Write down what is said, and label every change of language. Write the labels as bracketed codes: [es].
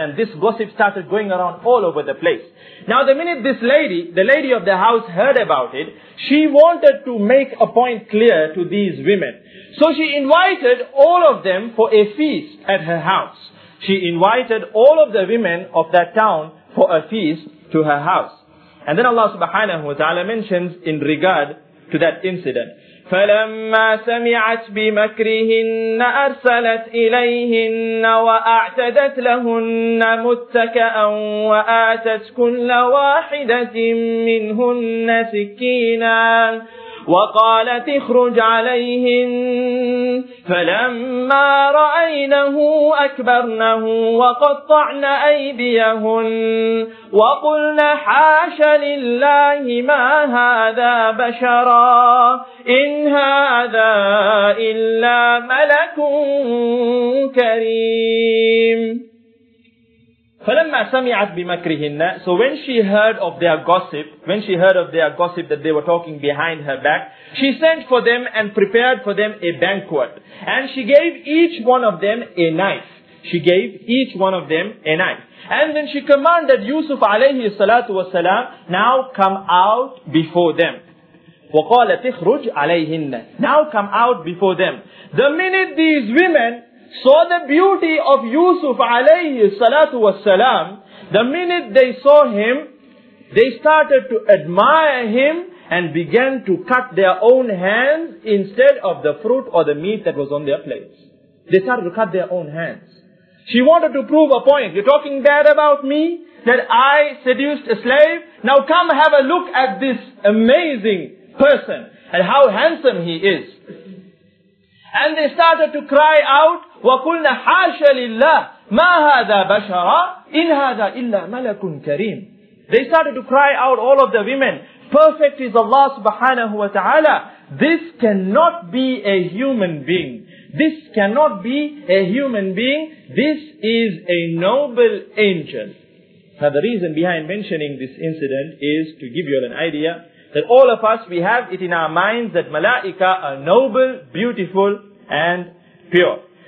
[en] And this gossip started going around all over the place. Now the minute this lady, the lady of the house, heard about it, she wanted to make a point clear to these women. So she invited all of them for a feast at her house. She invited all of the women of that town for a feast to her house. And then Allah subhanahu wa ta'ala mentions in regard to that incident. [ar] فَلَمَّا سَمِعَتْ بِمَكْرِهِنَّ أَرْسَلَتْ إِلَيْهِنَّ وَأَعْتَدَتْ لَهُنَّ مُتَّكَأً وَآتَتْ كُلَّ وَاحِدَةٍ مِّنْهُنَّ سِكِّيْنًا وقالت اخرج عليهن فلما رأينه أكبرنه وقطعن أيديهن وقلن حاش لله ما هذا بشرا إن هذا إلا ملك كريم. فلما سمعت بمكرهن, [en] so when she heard of their gossip, when she heard of their gossip that they were talking behind her back, she sent for them and prepared for them a banquet. And she gave each one of them a knife. She gave each one of them a knife. And then she commanded Yusuf alayhi salatu wasalam, now come out before them. [ar] وقالت اخرج عليهن, [en] now come out before them. The minute these women saw the beauty of Yusuf alayhi salatu wasalam, the minute they saw him, they started to admire him and began to cut their own hands instead of the fruit or the meat that was on their plates. They started to cut their own hands. She wanted to prove a point. You're talking bad about me? That I seduced a slave? Now come have a look at this amazing person and how handsome he is. And they started to cry out, [ar] وَقُلْنَا حَاشَ لِلَّهِ مَا هَذَا بَشَرًا إِنْ هَذَا إِلَّا مَلَكٌ كَرِيمٌ. [en] They started to cry out, all of the women, perfect is Allah subhanahu wa ta'ala. This cannot be a human being. This cannot be a human being. This is a noble angel. Now the reason behind mentioning this incident is to give you an idea that all of us, we have it in our minds that Malaika are noble, beautiful and pure.